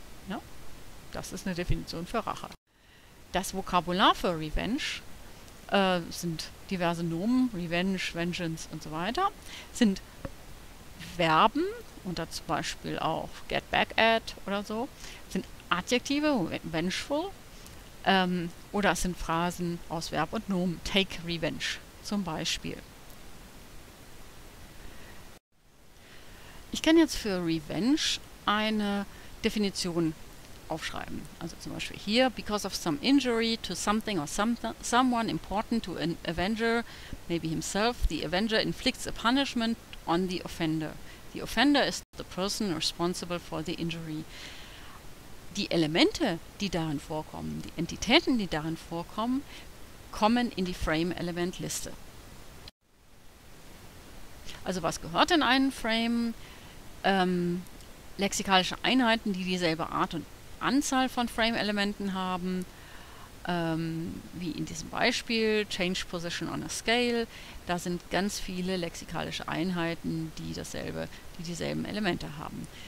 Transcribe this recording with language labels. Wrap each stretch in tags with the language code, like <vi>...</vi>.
<de>Ja, das ist eine Definition für Rache. Das Vokabular für Revenge sind diverse Nomen, Revenge, Vengeance und so weiter, sind Verben, unter zum Beispiel auch Get Back At oder so, sind Adjektive, Vengeful, oder es sind Phrasen aus Verb und Nomen, Take Revenge zum Beispiel. Ich kann jetzt für Revenge eine Definition aufschreiben.</de> <en>Also zum Beispiel hier, because of some injury to something or someone important to an avenger, maybe himself, the avenger inflicts a punishment on the offender. The offender is the person responsible for the injury.</en> <de>Die Elemente, die darin vorkommen, die Entitäten, die darin vorkommen, kommen in die Frame-Element-Liste. Also was gehört in einen Frame? Lexikalische Einheiten, die dieselbe Art und Anzahl von Frame-Elementen haben, wie in diesem Beispiel, Change Position on a Scale, da sind ganz viele lexikalische Einheiten, die dieselben Elemente haben.</de>